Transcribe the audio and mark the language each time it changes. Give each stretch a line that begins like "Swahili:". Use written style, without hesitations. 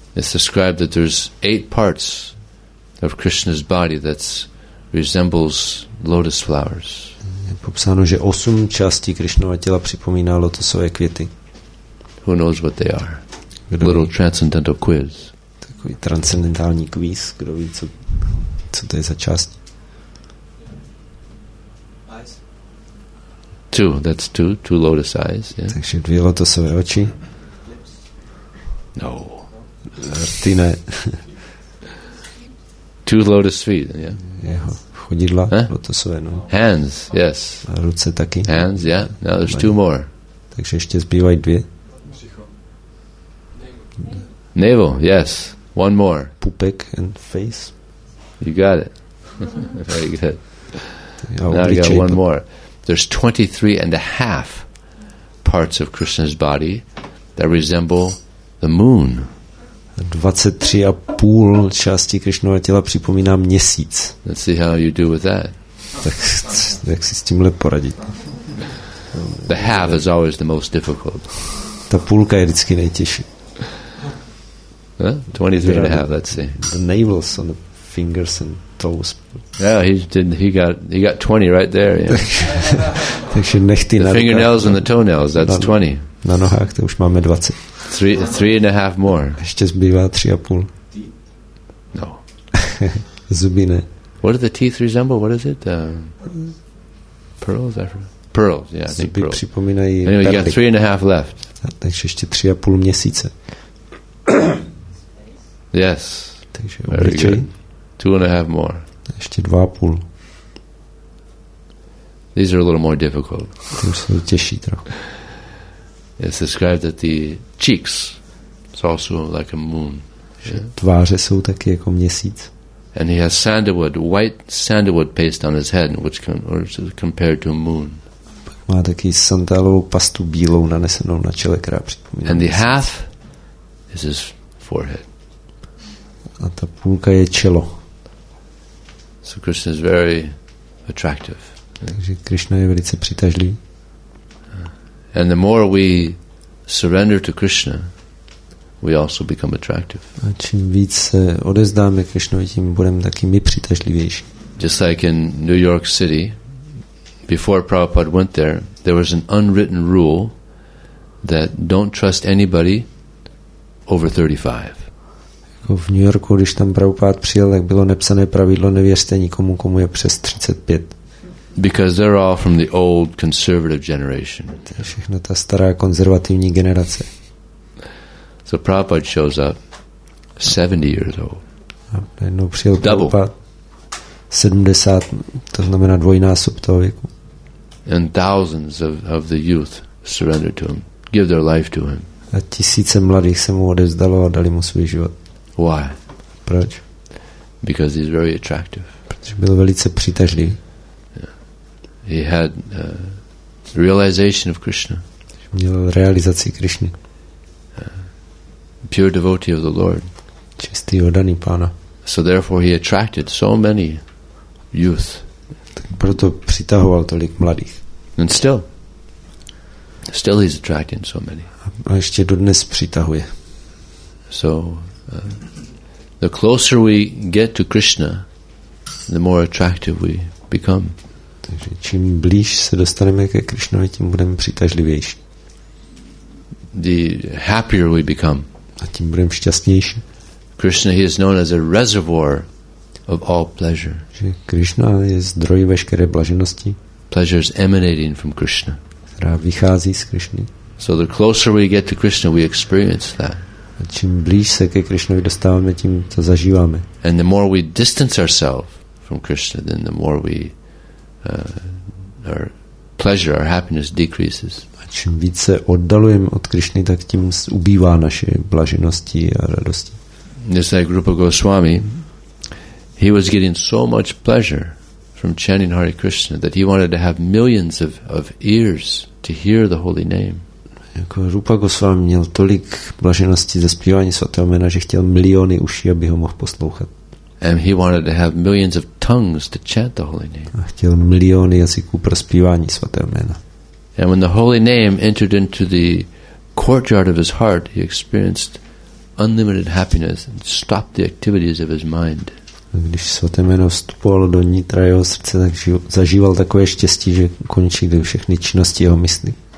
English: It's described that there's 8 parts of Krishna's body that resembles lotus flowers.
Czech: Je popsáno, že 8 částí Krishnova těla připomíná lotosové květy.
English: Who knows what they are? A little transcendental quiz.
Czech: Takový transcendentální quiz, kdo ví, co to je za část?
English: Eyes. Two, that's two. Two lotus eyes, yeah.
Czech: Takže dvě lotosové oči.
English: Lips. No.
Czech: Ty ne.
English: Two lotus feet, yeah.
Czech: Jeho chodidla, huh? Lotosové, no.
English: Hands, yes.
Czech: A ruce taky.
English: Hands, yeah. Now there's two more.
Czech: Takže ještě zbývají dvě.
English: Navel, yes. One more.
Czech: Pupek
English: and face. You got it. Very good. Now you got one more. There's 23 and a half parts of Krishna's body that resemble the moon.
Czech: 23 a půl části Krishnova těla připomíná měsíc.
English: Let's see how you do with that.
Czech: Tak jak si s tímhle poradit?
English: The half is always the most difficult.
Czech: Ta půlka je vždycky nejtěžší.
English: Huh? 23 and a half, let's see. The navels on the fingers and toes. Yeah, he got 20 right there. Yeah.
Czech: Takže nechty
English: na fingernails and the toenails, that's 20.
Czech: Na nohách to už máme 20.
English: Three and a half more.
Czech: Ještě zbývá 3.5.
English: No.
Czech: Zuby ne.
English: What do the teeth resemble? What is it? Pearls? Pearls, yeah.
Czech: Zuby připomínají.
English: Anyway, you got 3.5 left.
Czech: Takže ještě 3.5 měsíce.
English: Yes.
Czech: Takže obličej.
English: Two and a half more.
Czech: Ještě 2.5.
English: These are a little more difficult.
Czech: Tím jsou těžší trochu.
English: It's described that the cheeks is also like a moon.
Czech: Tváře jsou taky jako měsíc.
English: And he has sandalwood, white sandalwood paste on his head, which can, or is compared to a moon.
Czech: Má taky sandalovou pastu bílou nanesenou na čele, která připomíná.
English: And the half is his forehead.
Czech: A ta půlka je čelo.
English: So Krishna is very attractive.
Czech: Takže Krishna je velice přitažlivý.
English: And the more we surrender to Krishna, we also become attractive.
Czech: A čím víc se odezdáme Krishnovi, tím budeme taky my přitažlivější.
English: Just like in New York City, before Prabhupada went there, there was an unwritten rule that don't trust anybody over 35.
Czech: Jako v New Yorku, když tam Prabhupada přijel, tak bylo nepsané pravidlo, nevěřte nikomu, komu je přes 35.
English: Because they're all from the old conservative generation.
Czech: Všechno ta stará konzervativní generace.
English: So Prabhupada shows up 70 years old.
Czech: A najednou přijel Prabhupada 70, to znamená dvojnásob toho věku.
English: And thousands of the youth surrender to him, give their life to him.
Czech: A tisíce mladých se mu odevzdalo a dali mu svůj život.
English: Why?
Czech: Proč?
English: Because he's very attractive.
Czech: Protože byl velice přitažlivý.
English: He had realization of Krishna.
Czech: Měl realizaci Krišny.
English: Pure devotee of the Lord.
Czech: Čistý oddaný pána.
English: So therefore he attracted so many youth.
Czech: Tak proto přitahoval tolik mladých.
English: And still he's attracting so many.
Czech: A ještě dodnes přitahuje.
English: So the closer we get to Krishna, the more attractive we become.
Czech: Takže čím blíž se dostaneme ke Krišnovi, tím budeme přitažlivější.
English: The happier we become.
Czech: A tím budeme šťastnější.
English: Krishna, he is known as a reservoir of all pleasure.
Czech: Že Krišna je zdroj veškeré blaženosti.
English: Pleasures emanating from Krishna.
Czech: Která vychází z Krišny.
English: So the closer we get to Krishna, we experience that.
Czech: A čím blíž se ke Krišnovi dostáváme, tím to zažíváme.
English: And the more we distance ourselves from Krishna, then the more we our pleasure, our happiness decreases.
Czech: A čím více oddalujeme od Krišny, tak tím ubývá naše blaženosti a radosti.
English: Just like Rupa Goswami, he was getting so much pleasure from chanting Hare Krishna that he wanted to have millions of ears to hear the holy name.
Czech: Jako Rupa Goswami měl tolik blaženosti ze zpívání svatého jména, že chtěl miliony uší, aby ho mohl poslouchat.
English: And he wanted to have millions of tongues to chant the holy name.
Czech: A chtěl miliony jazyků pro zpívání svatého jména.
English: And when the holy name entered into the courtyard of his heart, he experienced unlimited happiness and stopped the activities of his mind.
Czech: A když svaté jméno vstupovalo do nitra jeho srdce, tak zažíval takové štěstí, že končily všechny činnosti jeho mysli.